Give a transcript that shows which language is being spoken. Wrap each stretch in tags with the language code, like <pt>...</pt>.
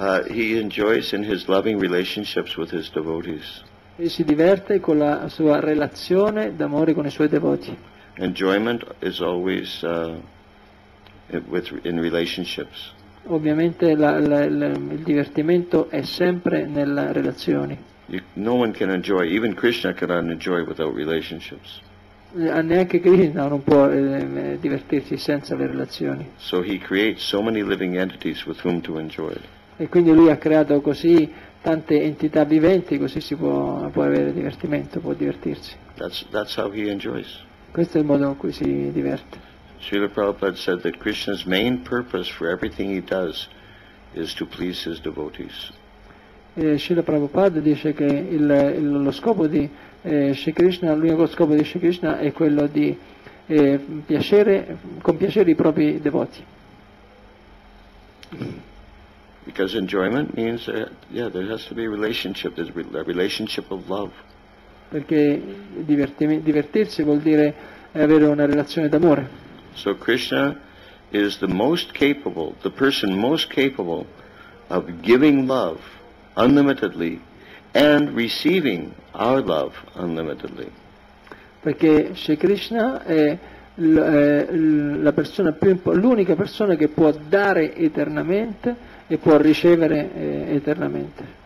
<en>He enjoys in his loving relationships with his devotees.</en> <it>E si diverte con la sua relazione d'amore con i suoi devoti.</it> <en>Enjoyment is always in relationships.</en> <it>Ovviamente il divertimento è sempre nelle relazioni.</it> <en>No one can enjoy, even Krishna cannot enjoy without relationships.</en> <it>Neanche Krishna non può divertirsi senza le relazioni.</it> <en>So he creates so many living entities with whom to enjoy it.</en> <it>E quindi lui ha creato così tante entità viventi, così si può avere divertimento, può divertirsi.</it> <en>That's how he enjoys.</en> <it>Questo è il modo in cui si diverte.</it> <en>Srila Prabhupada said that Krishna's main purpose for everything he does is to please his devotees.</en> <it>Srila Prabhupada dice che lo scopo di Shri Krishna, l'unico scopo di Shri Krishna è quello di compiacere i propri devoti.</it> <en>Because enjoyment means that, yeah, there has to be a relationship, there's a relationship of love.</en> <it>Perché divertirsi vuol dire avere una relazione d'amore.</it> <en>So Krishna is the most capable, the person most capable of giving love unlimitedly and receiving our love unlimitedly.</en> <it>Perché Shri Krishna è la persona più l'unica persona che può dare eternamente e può ricevere eternamente.</it>